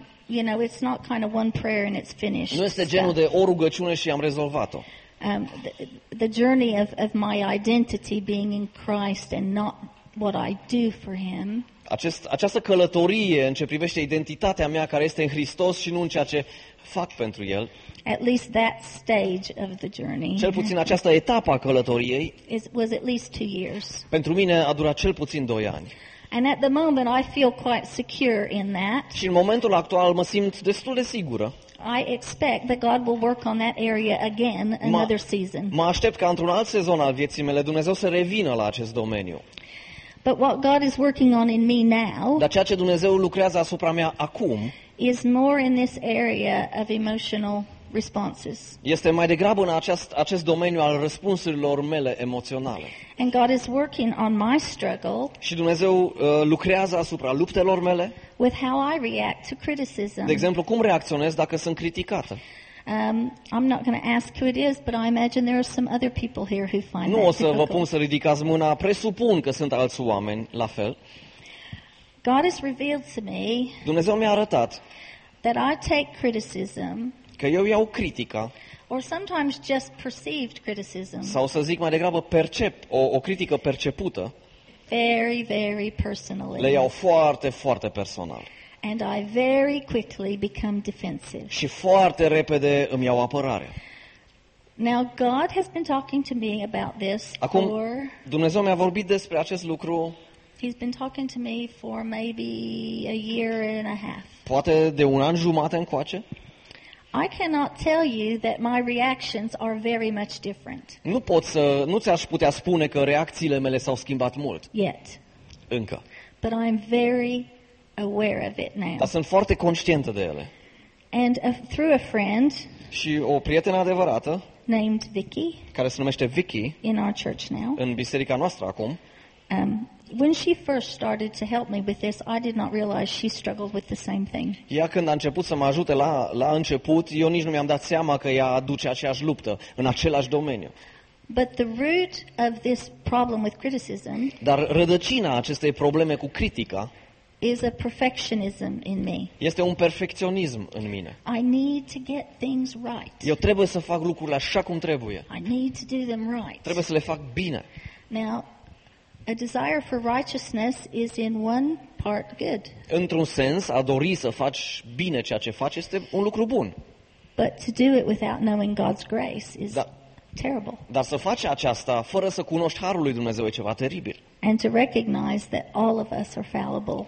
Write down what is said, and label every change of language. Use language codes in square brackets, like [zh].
[en] You know, it's not kind of one prayer and it's finished. [ro] Nu este genul de o rugăciune și am rezolvat-o. [en] The journey of my identity being in Christ and not what I do for him. [ro] Această călătorie în ce privește identitatea mea care este în Hristos și nu în ceea ce fac pentru el. [en] At least that stage of the journey. [ro] Cel puțin această etapă a călătoriei. [en] Was at least 2 years. [ro] Pentru mine a durat cel puțin 2 ani. [en] And at the moment I feel quite secure in that. [ro] Și în momentul actual mă simt destul de sigură. [en] I expect that God will work on that area again another season. [ro] Mă aștept ca într-un alt sezon al vieții mele Dumnezeu să revină la acest domeniu. [en] But what God is working on in me now. [ro] Dar ceea ce Dumnezeu lucrează asupra mea acum. [en] Is more in this area of emotional responses. [ro] Este mai degrabă în acest domeniu al răspunsurilor mele emoționale. [en] And God is working on my struggle. [ro] Și Dumnezeu lucrează asupra luptelor mele. [en] With how I react to criticism. [ro] De exemplu, cum reacționez dacă sunt criticată. [en] I'm not going to ask who it is, but I imagine there are some other people here who find that [ro] Nu o să vă pun să ridicați mâna, presupun că sunt alți oameni la fel. [en] God has revealed to me. [ro] Dumnezeu mi-a arătat. [en] That I take criticism. [ro] Că eu iau critica. [en] Or sometimes just perceived criticism. [ro] Sau să zic mai degrabă percep o critică percepută. [en] Very, very personally. [ro] Le iau foarte, foarte personal. [en] And I very quickly become defensive. [ro] Și foarte repede îmi iau apărare. [en] Now God has been talking to me about this. [ro] Acum, [en] for... [ro] Dumnezeu mi-a vorbit despre acest lucru. [en] He's been talking to me for maybe a year and a half. [ro] Poate de un an jumate încoace. [en] I cannot tell you that my reactions are very much different. [ro] Nu ți-aș putea spune că reacțiile mele s-au schimbat mult. [en] Yet. [ro] Încă. [en] But I'm very aware of it now. [ro] Dar sunt foarte conștientă de ele. [en] And through a friend. [ro] Și o prietenă adevărată. [en] Named Vicky. [ro] Care se numește Vicky. [en] In our church now. [ro] În biserica noastră acum. [en] When she first started to help me with this, I did not realize she struggled with the same thing. [ro] Ea când a început să mă ajute la început, eu nici nu mi-am dat seama că ea aduce aceeași luptă în același domeniu. [en] But the root of this problem with criticism. [ro] Dar rădăcina acestei probleme cu critica. [en] Is a perfectionism in me. [ro] Este un perfecționism în mine. [en] I need to get things right. [ro] Eu trebuie să fac lucrurile așa cum trebuie. [en] I need to do them right. [ro] Trebuie să le fac bine. [en] Now, a desire for righteousness is in one part good. [ro] Într-un sens, a dori să faci bine ceea ce faci este un lucru bun. [en] But to do it without knowing God's grace is terrible. [ro] Dar să faci aceasta fără să cunoști harul lui Dumnezeu e ceva teribil. [en] And to recognize that all of us are fallible.